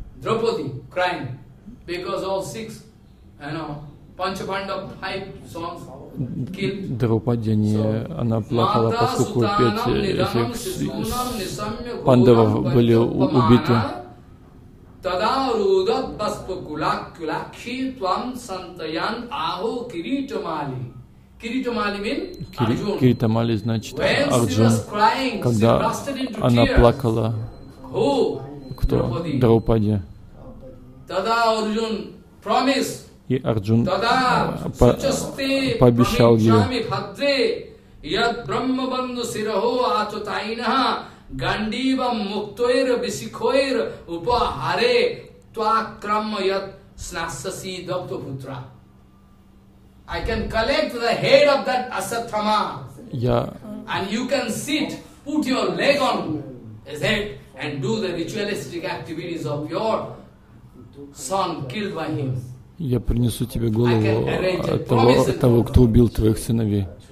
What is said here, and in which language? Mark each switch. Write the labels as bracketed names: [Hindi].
[English] Draupadi crying because all six, you know, Panchabandha five sons killed. [Russian] Draupadi, они, она плакала, поскольку пять этих пандавов были убиты. [Sanskrit] Тогда рудат баспакулакулакхи твам сантаян аху киритамали. [Russian] Киритамали мин Арджун. Киритамали значит Арджун. Когда она плакала, кто? Драупади. Тогда Арджун промис. И Арджун пообещал ей. [Sanskrit] Яд брахма банду сираху ато тайнаха гандивам муктоир висикхоир упахаре твакрамма яд снасаси дакто путра. [English] I can collect the head of that asatthama. Yeah. And you can sit, put your leg on his head and do the ritualistic activities of your son killed by him. [Russian] Я принесу тебе голову того, кто убил твоих сыновей.